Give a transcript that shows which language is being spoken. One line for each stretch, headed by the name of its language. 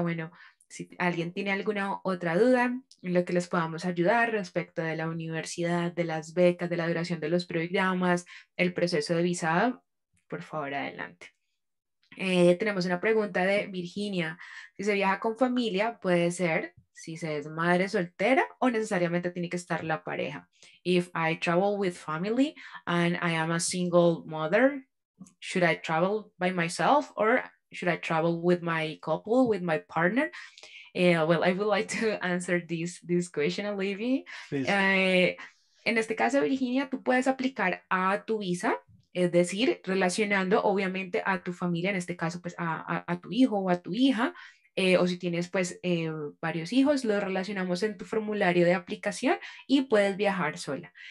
Spanish: Bueno, si alguien tiene alguna otra duda en lo que les podamos ayudar respecto de la universidad, de las becas, de la duración de los programas, el proceso de visado, por favor, adelante. Tenemos una pregunta de Virginia. Si se viaja con familia, puede ser si se es madre soltera o necesariamente tiene que estar la pareja.
English: If I travel with family and I am a single mother, should I travel by myself or should I travel with my couple, with my partner? Well, I would like to answer this question, Olivia.
Spanish: En este caso, Virginia, tú puedes aplicar a tu visa. Es decir, relacionando obviamente a tu familia, en este caso pues a tu hijo o a tu hija, o si tienes pues varios hijos, lo relacionamos en tu formulario de aplicación y puedes viajar sola.